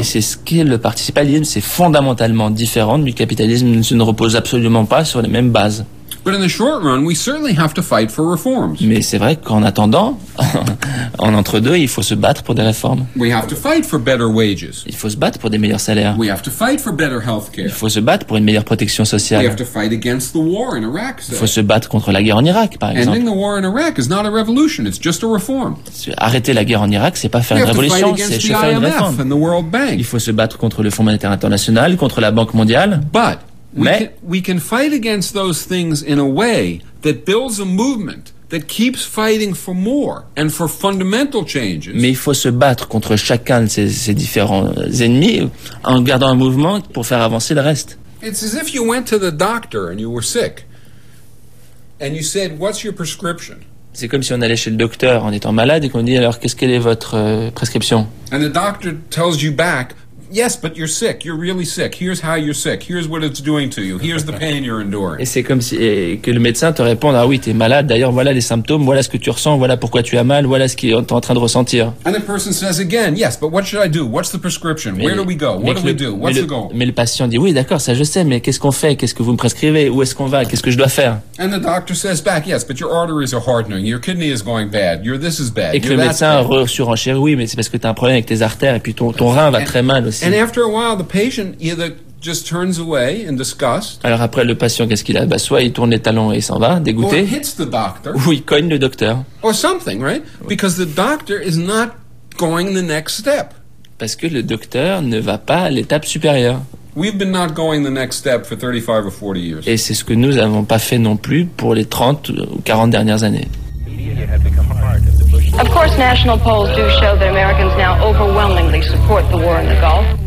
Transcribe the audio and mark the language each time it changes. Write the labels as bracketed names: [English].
[French] Et c'est ce qu'est le participatisme, c'est fondamentalement différent du capitalisme, ce ne repose absolument pas sur les mêmes bases. [English] But in the short run, we certainly have to fight for reforms. [French] Mais c'est vrai qu'en attendant, en entre deux, il faut se battre pour des réformes. [English] We have to fight for better wages. [French] Il faut se battre pour des meilleurs salaires. [English] We have to fight for better healthcare. [French] Il faut se battre pour une meilleure protection sociale. [English] We have to fight against the war in Iraq. [French] Il faut se battre contre la guerre en Irak, par exemple. [English] Ending the war in Iraq is not a revolution. It's just a reform. [French] Arrêter la guerre en Irak, c'est pas faire une révolution, c'est juste faire une réforme. [English] We have to fight against the IMF and the World Bank. [French] Il faut se battre contre le Fonds monétaire international, contre la Banque mondiale. [English] But [French] mais [English] we can fight against those things in a way that builds a movement that keeps fighting for more and for fundamental changes. [French] Mais il faut se battre contre chacun de ces différents ennemis en gardant un mouvement pour faire avancer le reste. [English] It's as if you went to the doctor and you were sick and you said, what's your prescription? [French] C'est comme si on allait chez le docteur en étant malade et qu'on dit, alors quelle est votre prescription? [English] And the doctor tells you back, yes, but you're sick. You're really sick. Here's how you're sick. Here's what it's doing to you. Here's the pain you're enduring. [French] Et c'est comme si que le médecin te réponde, ah oui, t'es malade. D'ailleurs, voilà les symptômes. Voilà ce que tu ressens. Voilà pourquoi tu as mal. Voilà ce qu'il est en train de ressentir. [English] And the person says again, yes, but what should I do? What's the prescription? Where do we go? What do we do? What's the goal? [French] Mais le patient dit, oui, d'accord, ça je sais, mais qu'est-ce qu'on fait? Qu'est-ce que vous me prescrivez? Où est-ce qu'on va? Qu'est-ce que je dois faire? [English] And the doctor says back, yes, but your arteries are hardening. Your kidney is going bad. Your this is bad. [French] Et que le médecin surenchérit, oui, mais c'est parce que t'as un problème avec tes artères et puis ton rein va très mal aussi. [English] And after a while, the patient either just turns away in disgust. [French] Alors après, le patient, qu'est-ce qu'il a? Bah, soit il tourne les talons et il s'en va, dégoûté. [English] Or hits the doctor. [French] Ou il cogne le docteur. [English] Or something, right? [French] Oui. [English] Because the doctor is not going the next step. [French] Parce que le docteur ne va pas à l'étape supérieure. [English] We've been not going the next step for 35 or 40 years. [French] Et c'est ce que nous n'avons pas fait non plus pour les 30 ou 40 dernières années. [English] Of course, national polls do show that Americans now overwhelmingly support the war in the Gulf.